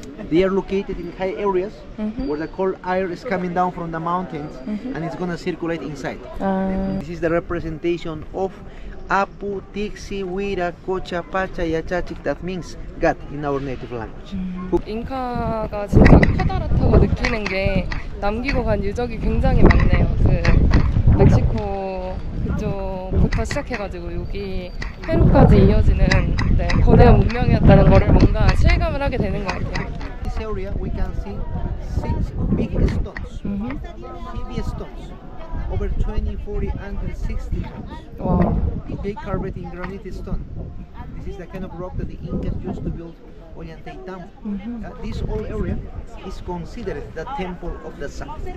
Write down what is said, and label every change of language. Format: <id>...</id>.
<en>They are located in high areas where the cold air is coming down from the mountains and it's gonna circulate inside. This is the representation of Apu, Tixi, Huira, Cocha, Pacha, Yachachik, that means God in our native language. Mm-hmm.</en> <ko>잉카가 진짜 커다랗다고 느끼는 게 남기고 간 유적이 굉장히 많네요. 그 멕시코 그쪽부터 시작해가지고 여기 페루까지 이어지는 네, 거대한 문명이었다는 거를 뭔가 실감을 하게 되는 것 같아요.</ko> <en>This area we can see six big stones, heavy stones, over 20, 40, and 60 tons. Wow. They carved in granite stone. This is the kind of rock that the Incas used to build Ollantaytambo. This whole area is considered the temple of the sun.</en>